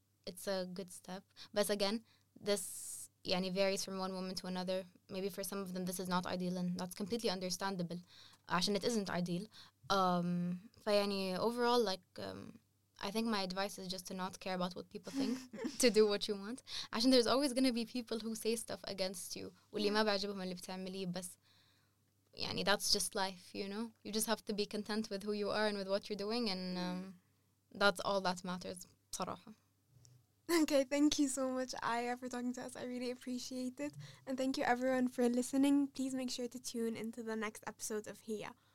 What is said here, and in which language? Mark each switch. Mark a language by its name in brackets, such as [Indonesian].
[English] it's a good step but again this [Arabic] يعني [English] varies from one woman to another maybe for some of them this is not ideal and that's completely understandable [Arabic] عشان [English] it isn't ideal [Arabic] فيعني [English] overall I think my advice is just to not care about what people think, to do what you want. Actually, there's always going to be people who say stuff against you. [Arabic] واللي ما بعجبهم اللي بتعمليه بس يعني [English] that's just life, you know? You just have to be content with who you are and with what you're doing and that's all that matters, [Arabic] بصراحة. [English] Okay, thank you so much, Aya, for talking to us. I really appreciate it. And thank you, everyone, for listening. Please make sure to tune into the next episode of Hia.